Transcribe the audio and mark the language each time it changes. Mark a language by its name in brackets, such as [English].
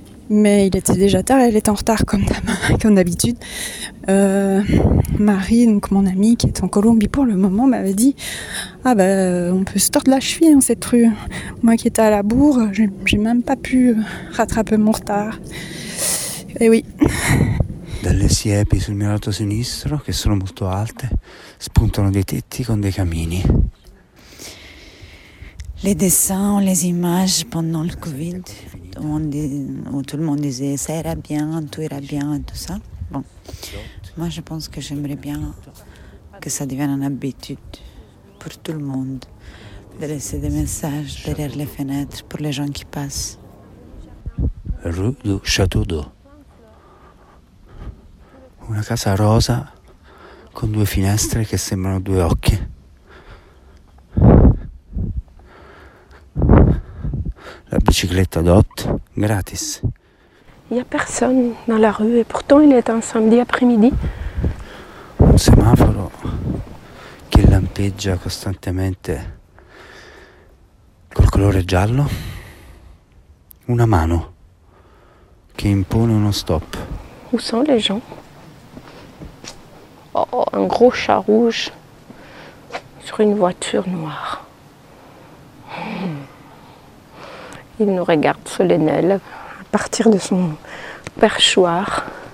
[French] Mais il était déjà tard, elle était en retard comme d'habitude. Marie, donc mon amie qui est en Colombie pour le moment, m'avait dit « Ah ben, on peut se tordre la cheville dans cette rue. » Moi qui étais à la bourre, j'ai même pas pu rattraper mon retard. Et oui. [Italian] Dalle siepi sul mio lato sinistro, che sono molto alte, spuntano dei tetti con dei camini. [French] Les dessins, les images pendant le Covid, où tout le monde disait ça ira bien, tout ira bien, tout ça. Bon, moi je pense que j'aimerais bien que ça devienne une habitude pour tout le monde de laisser des messages derrière les fenêtres pour les gens qui passent. Rue du Château d'Eau. [Italian] Una casa rosa con due finestre che sembrano due occhi. La bicicletta d'Ott, gratis. [French] Il n'y a personne dans la rue et pourtant il est un samedi après-midi. [Italian] Un semaforo che lampeggia costantemente col colore giallo. Una mano che impone uno stop. [French] Où sont les gens? Oh, un gros chat rouge sur une voiture noire. Il nous regarde solennel à partir de son perchoir.